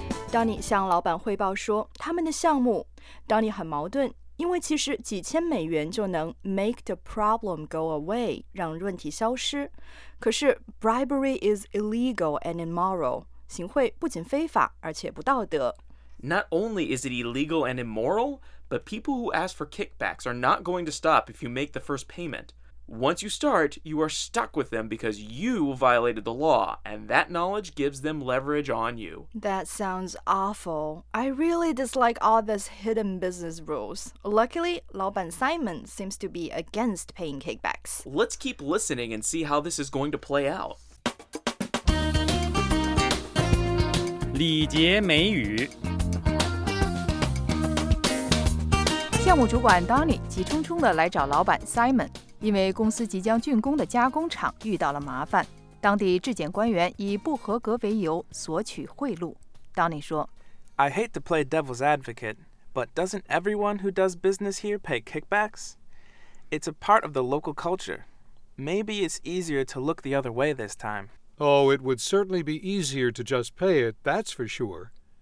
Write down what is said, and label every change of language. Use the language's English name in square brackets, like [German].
[Chinese] Donny 向老板汇报说，他们的项目 ，Donny 很矛盾，因为其实几千美元就能 [English] make the problem go away， [Chinese] 让问题消失。可是 [English] bribery is illegal and immoral。 [Chinese] 行贿不仅非法，而且不道德。 [English] Not only is it illegal and immoral, but people who ask for kickbacks are not going to stop if you make the first payment. Once you start, you are stuck with them because you violated the law, and that knowledge gives them leverage on you. That sounds awful. I really dislike all these hidden business rules. Luckily, 老板 Simon seems to be against paying kickbacks. Let's keep listening and see how this is going to play out. [Chinese] 礼节美语。项目主管 Donny 急冲冲地来找老板 Simon， 因为公司即将竣工的加工厂遇到了麻烦。当地质检官员以不合格为由索取贿赂。 Donny 说 [English] ：“I hate to play devil's advocate, but doesn't everyone who does business here pay kickbacks? It's a part of the local culture. Maybe it's easier to look the other way this time.” Oh, it would certainly be easier to just pay it, that's for sure.